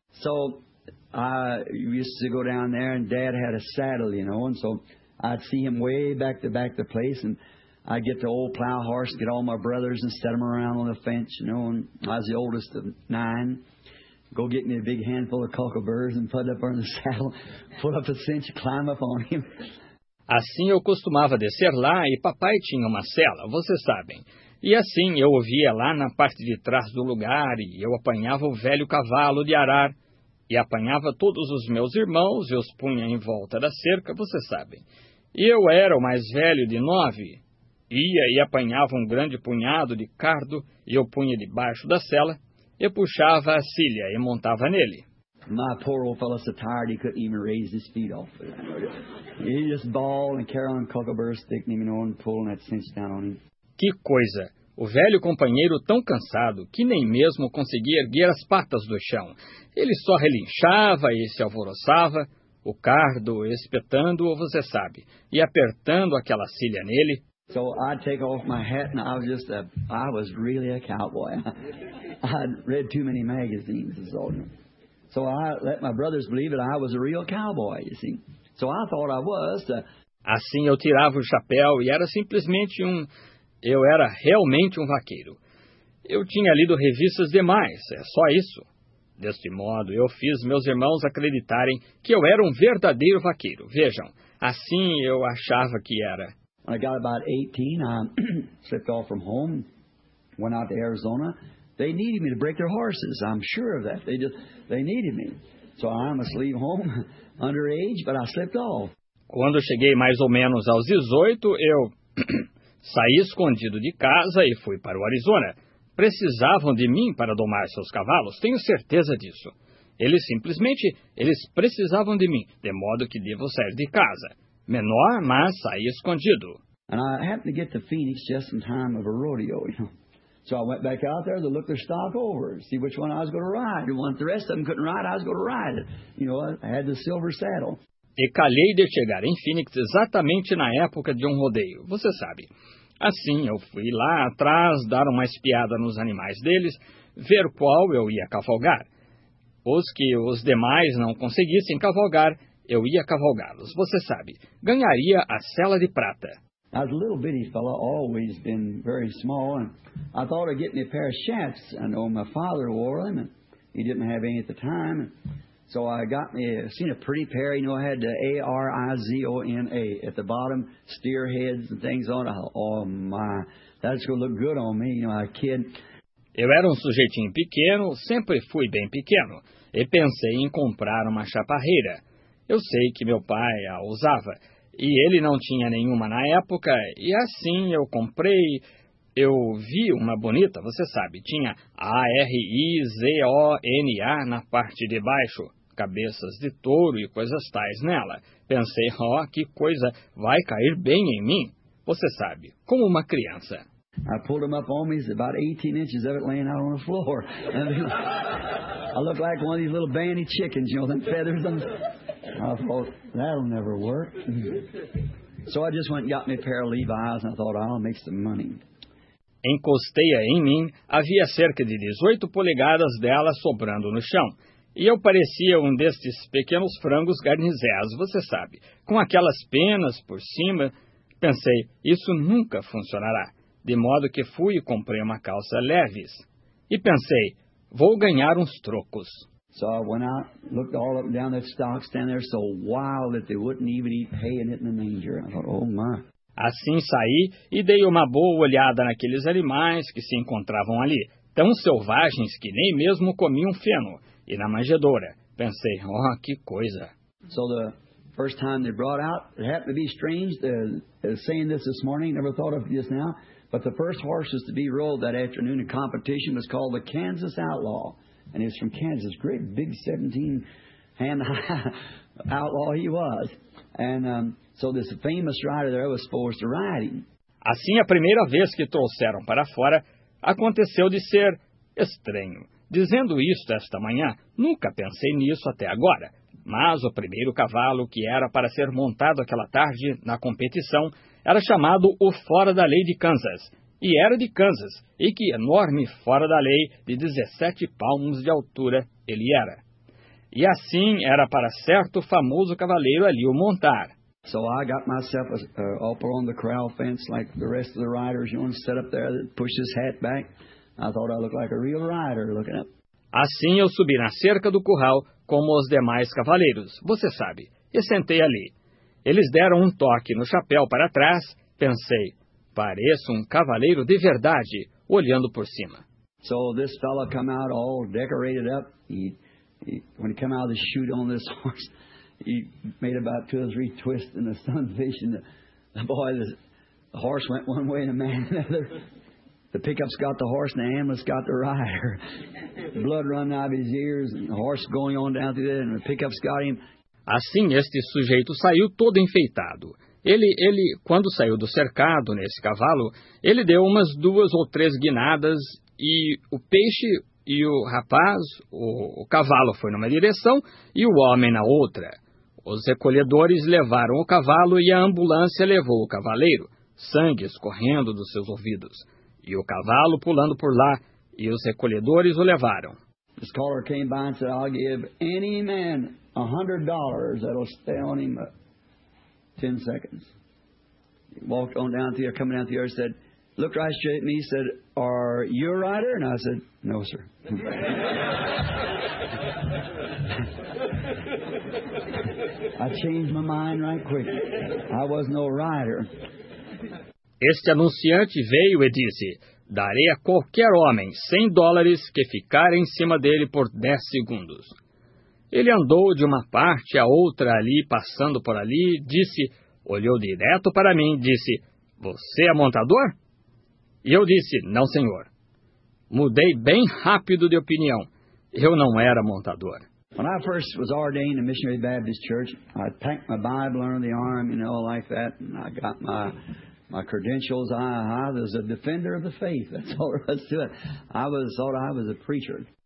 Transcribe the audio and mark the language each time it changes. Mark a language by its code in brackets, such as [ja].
[en] So, I used to go down there and dad had a saddle, you know, and so I'd see him way back the place and I'd get the old plow horse, get all my brothers and set them around on the fence, you know, and I was the oldest of nine. Go get me a big handful of cockleburrs and put it up on the saddle, pull up a cinch, climb up on him. [pt] Assim eu costumava descer lá e papai tinha uma sela, vocês sabem. E assim eu ouvia lá na parte de trás do lugar e eu apanhava o velho cavalo de arar. E apanhava todos os meus irmãos e os punha em volta da cerca, vocês sabem. E eu era o mais velho de nove. Ia e apanhava um grande punhado de cardo e eu punha debaixo da sela. E puxava a cilha e montava nele. [en] My poor old fellow so tired he couldn't even raise his feet off it. He just bawled and carried on cockleburr sticking him, you know, and pulling that cinch down on him. [pt] Que coisa! O velho companheiro tão cansado que nem mesmo conseguia erguer as patas do chão. Ele só relinchava e se alvoroçava, o cardo espetando-o, você sabe, e apertando aquela cilha nele. [en] So I'd take off my hat and I was really a cowboy. I'd read too many magazines as old. So I let my brothers believe that I was a real cowboy, you see. So I thought I was. [pt] Assim eu tirava o chapéu e era simplesmente um... Eu era realmente um vaqueiro. Eu tinha lido revistas demais, é só isso. Deste modo, eu fiz meus irmãos acreditarem que eu era um verdadeiro vaqueiro. Vejam, assim eu achava que era. [en] When I got about 18, I slipped off from home, went out to Arizona. They needed me to break their horses, I'm sure of that. They needed me. So I must leave home underage, but I slipped off. [pt] Quando cheguei mais ou menos aos 18, eu... Saí escondido de casa e fui para o Arizona. Precisavam de mim para domar seus cavalos, tenho certeza disso. Eles precisavam de mim, de modo que devo sair de casa. Menor, mas saí escondido. [en] And I happened to get to Phoenix just in time of a rodeo, you know. So I went back out there to look their stock over, see which one I was going to ride. The one the rest of them couldn't ride, I was going to ride it. You know, I had the silver saddle. [pt] E calhei de chegar em Phoenix exatamente na época de um rodeio, você sabe. Assim, eu fui lá atrás dar uma espiada nos animais deles, ver qual eu ia cavalgar. Os que os demais não conseguissem cavalgar, eu ia cavalgá-los, você sabe. Ganharia a sela de prata. [en] As little bitty fellow always been very small, and I thought of getting a pair of shafts. I know my father wore them, and he didn't have any at the time. So I got me, seen a pretty pair, you know, I had the A-R-I-Z-O-N-A at the bottom, steer heads and things on. Oh my, that's going to look good on me, you know, a kid. [pt] Eu era um sujeitinho pequeno, sempre fui bem pequeno, e pensei em comprar uma chaparreira. Eu sei que meu pai a usava, e ele não tinha nenhuma na época, e assim eu comprei, Eu vi uma bonita, você sabe, tinha A-R-I-Z-O-N-A na parte de baixo, cabeças de touro e coisas tais nela. Pensei, ó, que coisa, vai cair bem em mim, você sabe, como uma criança. [en] I pulled him up on me, he's about 18 inches of it laying out on the floor. I look like one of these little bandy chickens, you know, them feathers. And I thought, that'll never work. So I just went and got me a pair of Levi's and I thought, I'll make some money. [pt] Encostei-a em mim, havia cerca de 18 polegadas dela sobrando no chão. E eu parecia um destes pequenos frangos garnizés, você sabe, com aquelas penas por cima. Pensei, isso nunca funcionará. De modo que fui e comprei uma calça leves. E pensei, vou ganhar uns trocos. [en] So I went out, looked all up and down the stocks, standing there so wild that they wouldn't even eat hay in it in the manger. I thought, oh my. [pt] Assim saí e dei uma boa olhada naqueles animais que se encontravam ali, tão selvagens que nem mesmo comiam feno. E na manjedoura, pensei, oh, que coisa. [en] So the first time they brought out, it happened to be strange, saying this morning, never thought of this now, but the first horses to be rolled that afternoon in competition was called the Kansas Outlaw. And he's from Kansas, great big 17-hand outlaw he was. And so this famous rider there was forced to ride him. [pt] Assim, a primeira vez que trouxeram para fora, aconteceu de ser estranho. Dizendo isto esta manhã, nunca pensei nisso até agora. Mas o primeiro cavalo que era para ser montado aquela tarde na competição era chamado o Fora da Lei de Kansas. E era de Kansas, e que enorme Fora da Lei de 17 palmos de altura ele era. E assim era para certo famoso cavaleiro ali o montar. [en] So I got myself up on the corral fence like the rest of the riders. You want to sit up there, push his hat back. I thought I looked like a real rider looking up. [pt] Assim eu subi na cerca do curral como os demais cavaleiros, você sabe, e sentei ali. Eles deram um toque no chapéu para trás, pensei, pareço um cavaleiro de verdade, olhando por cima. [en] So this fellow come out all decorated up, he, when he came out of the chute on this horse, he made about two or three twists in the sun vision. The boy, the horse went one way and the man another. The pickups got the horse and the ambulance got the rider. Blood running out of his ears and the horse going on down through there and the pickups got him. [pt] Assim, este sujeito saiu todo enfeitado. Ele, quando saiu do cercado nesse cavalo, ele deu umas duas ou três guinadas e o peixe e o rapaz, o cavalo foi numa direção e o homem na outra. Os recolhedores levaram o cavalo e a ambulância levou o cavaleiro, sangue escorrendo dos seus ouvidos. E o cavalo pulando por lá, e os recolhedores o levaram. [en] This caller came by and said, I'll give any man $100 that'll stay on him 10 seconds. He walked on down to the air, coming down to the air, said, looked right straight at me, said, are you a rider? And I said, no, sir. I changed my mind right quick. I was no rider. [pt] Este anunciante veio e disse, darei a qualquer homem $100 que ficar em cima dele por 10 segundos. Ele andou de uma parte a outra ali, passando por ali, disse, olhou direto para mim, disse, você é montador? E eu disse, não, senhor. Mudei bem rápido de opinião. Eu não era montador. Quando eu [en] first was ordained in Missionary Baptist Church, I packed my Bible under the arm, you know, like that, and I got my... my credentials, I was a defender of the faith. That's all there was to it. I thought I was a preacher.